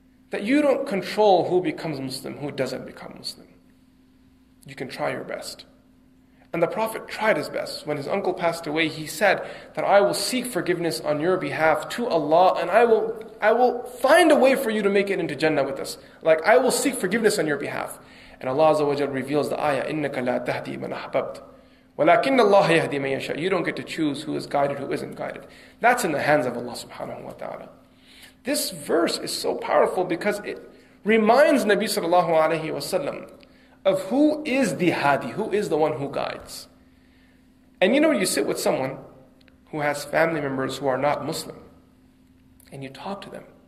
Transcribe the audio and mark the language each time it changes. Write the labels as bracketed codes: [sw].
[en] That you don't control who becomes Muslim, who doesn't become Muslim. You can try your best. And the Prophet tried his best. When his uncle passed away, he said that I will seek forgiveness on your behalf to Allah, and I will find a way for you to make it into Jannah with us. Like, I will seek forgiveness on your behalf. And Allah Azza wa Jal reveals the ayah, [ar] إِنَّكَ لَا تَهْدِي مَنْ أَحْبَبْتَ وَلَكِنَّ اللَّهَ يَهْدِي مَنْ يَشَاءُ. [en] You don't get to choose who is guided, who isn't guided. That's in the hands of Allah subhanahu wa ta'ala. This verse is so powerful because it reminds Nabi sallallahu alayhi wa sallam of who is the Hadi, who is the one who guides. And you know, you sit with someone who has family members who are not Muslim, and you talk to them.